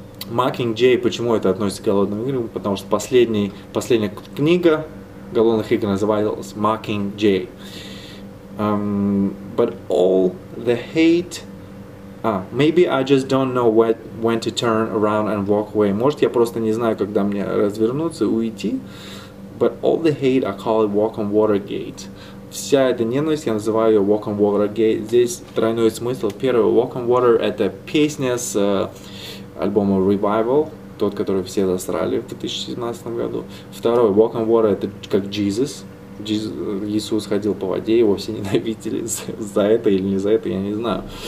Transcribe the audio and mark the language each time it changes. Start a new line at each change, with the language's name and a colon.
Russian: Mockingjay, почему это относится к Голодным играм? Потому что последняя книга Голодных игр называлась Mockingjay.
English: But all the hate... maybe I just don't know when to turn around and walk away.
Russian: Может, я просто не знаю, когда мне развернуться и уйти.
English: But all the hate I call it walk on water gate.
Russian: Вся эта ненависть, я называю ее
English: walk on water gate.
Russian: Здесь тройной смысл. Первый, walk on water — это песня с альбома Revival, тот, который все засрали в 2017 году. Второй, walk on water — это как Jesus. Иисус ходил по воде, его все ненавидели за это или не за это, я не знаю.